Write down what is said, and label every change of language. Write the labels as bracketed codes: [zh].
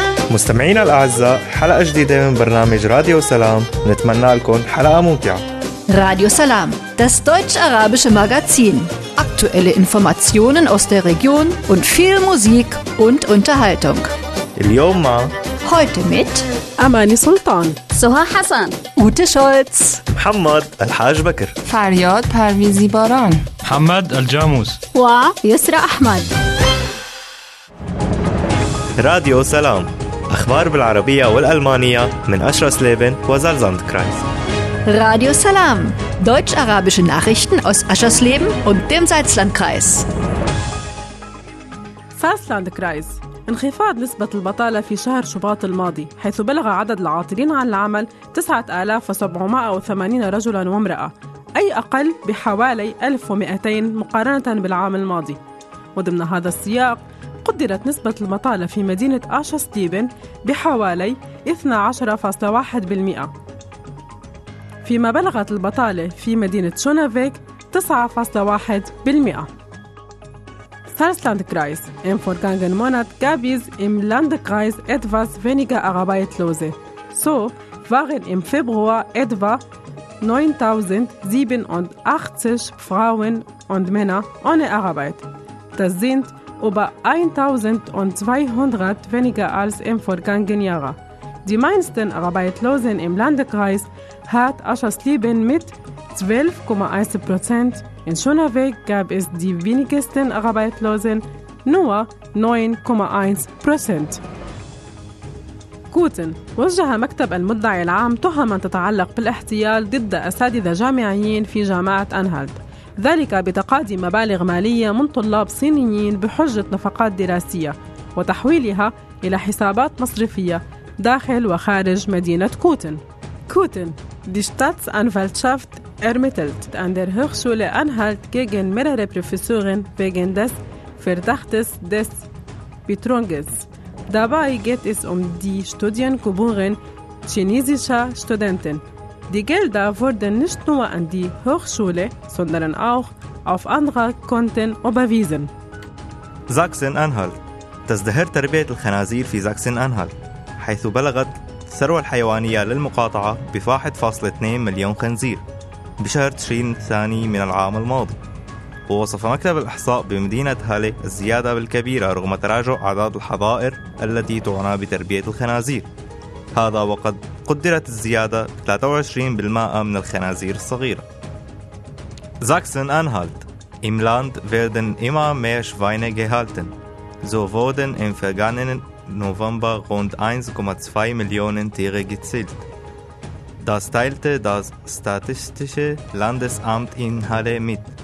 [ar] مستمعينا الأعزاء، حلقة جديدة من برنامج راديو سلام، نتمنى لكم حلقة ممتعة. [de] راديو سلام، das deutsch-arabische Magazin. Aktuelle Informationen aus der Region und viel Musik und Unterhaltung. [ar] اليوم مع [de] heute mit [ar] أماني سلطان، سهى حسن، أوتي شولتز، محمد الحاج بكر، فرياد پرویزی باران، محمد الجاموس، و يسرى أحمد. راديو سلام، أخبار بالعربية والألمانية من أشرس ليبن وزلزاند كرايس. [de] راديو سلام، deutsch-arabische Nachrichten aus Aschersleben und dem Salzlandkreis. Salzlandkreis. [ar] انخفاض نسبة البطالة في شهر شباط الماضي، حيث بلغ عدد العاطلين عن العمل 9780 رجلا وامرأة، أي أقل بحوالي 1200 مقارنة بالعام الماضي. وضمن هذا السياق، قدرت نسبة البطالة في مدينة أشرسليبن بحوالي 12.1%، فيما بلغت البطالة في مدينة شونافيك 9.1%. [de] Salzlandkreis. Im vergangenen Monat gab es im Landkreis etwas weniger Arbeitslose. So waren im Februar etwa 9.087 Frauen und Männer ohne Arbeit. Das sind über 1.200 weniger als im vergangenen Jahr. Die meisten Arbeitslosen im Landkreis hat Aschersleben mit 12.1%. In Schönerweg gab es die wenigsten Arbeitslosen, nur 9.1%. [ar] كوتن. وجه مكتب المدعي العام تهما تتعلق بالاحتيال ضد أساتذة جامعيين في جامعة أنهالت، ذلك بتقاضي مبالغ مالية من طلاب صينيين بحجة نفقات دراسية وتحويلها إلى حسابات مصرفية داخل وخارج مدينة كوتن. كوتن. [de] Die Staatsanwaltschaft ermittelt an der Hochschule Anhalt gegen mehrere Professoren wegen des Verdachtes des Betrugs. Dabei geht es um die Studiengebühren chinesischer Studenten. Die Gelder wurden nicht nur an die Hochschule, sondern auch auf andere Konten überwiesen. Sachsen-Anhalt. Das Dehör Tarbiet al-Khanazir fi Sachsen-Anhalt. [ar] حيث بلغت الثروة الحيوانية للمقاطعة ب 1.2 مليون خنزير بشهر تشرين الثاني من العام الماضي. ووصف مكتب الإحصاء بمدينة هالي الزيادة بالكبيرة رغم تراجع أعداد الحظائر التي تعنى بتربية الخنازير، هذا وقد قدرت الزيادة ب 23% من الخنازير الصغيرة. ساكسن أنهالت. [de] Im Land werden immer mehr Schweine gehalten. So wurden im vergangenen November rund 1,2 Millionen Tiere gezählt. Das teilte das Statistische Landesamt in Halle mit.